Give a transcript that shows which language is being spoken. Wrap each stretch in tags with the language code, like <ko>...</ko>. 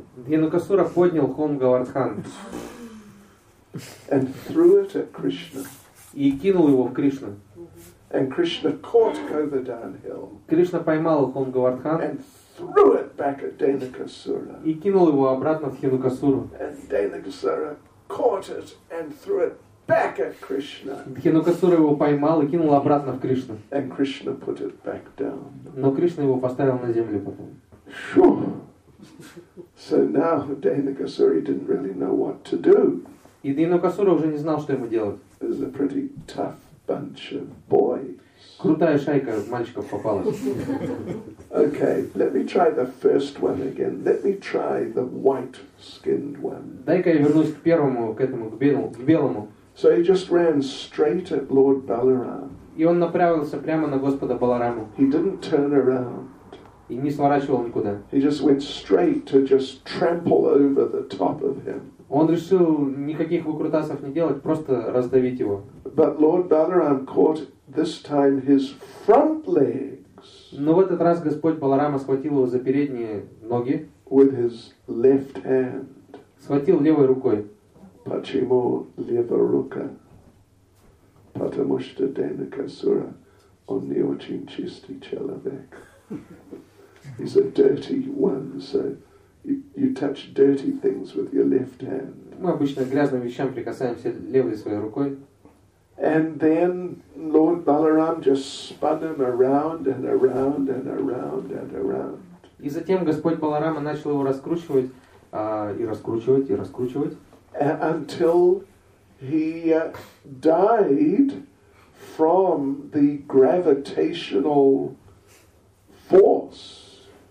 <ru>Deinakasura поднял холм Говардхан.</ru> <en>And threw it at Krishna.</en> <ru>И кинул его в Кришну.</ru> <en>And Krishna caught Govardhan Hill.</en> <ru>Кришна поймал холм Говардхан.</ru> <en>And threw it back at Deinakasura.</en> <ru>И кинул его обратно в Тхинокасуру.</ru> <en>And Deinakasura caught it and threw it back at Krishna.</en> <ru>Тхинокасура его поймал и кинул обратно в Кришну.</ru> <en>And Krishna put it back down.</en> <ru>Но Кришна его поставил на землю потом.</ru> <en>So now Deinakasura didn't really know what to do.</en> <ru>И Тхинокасура уже не знал, что ему делать.</ru> <en>It's a pretty tough bunch of boys.</en> <ru>Крутая шайка мальчиков попалась.</ru> <en>Okay, let me try the first one again. Let me try the white-skinned one.</en> <ru>Дай-ка я вернусь к первому, к этому, к белому.</ru> <en>So he just ran straight at Lord Balaram.</en> <ru>И он направился прямо на Господа Балараму.</ru> <en>He didn't turn around.</en> <ru>И не сворачивал никуда.</ru> <en>He just went straight to just trample over the top of him.</en> <ru>Он решил никаких выкрутасов не делать, просто раздавить его.</ru> <en>But Lord Balaram caught this time his front legs.</en> <ru>Но в этот раз Господь Баларама схватил его за передние ноги.</ru> <en>With his left hand.</en> <ru>Схватил левой рукой. Почему левая рука? Потому что Деинакасура, он не очень чистый человек.</ru> <en>He's a dirty one, so you touch dirty things with your left hand.</en> <ru>Мы обычно грязным вещам прикасаемся левой своей рукой.</ru> <en>And then Lord Balaram just spun him around and around and around and around.</en> <ru>И затем Господь Баларама начал его раскручивать и раскручивать и раскручивать.</ru> <en>Until he died from the gravitational force.</en>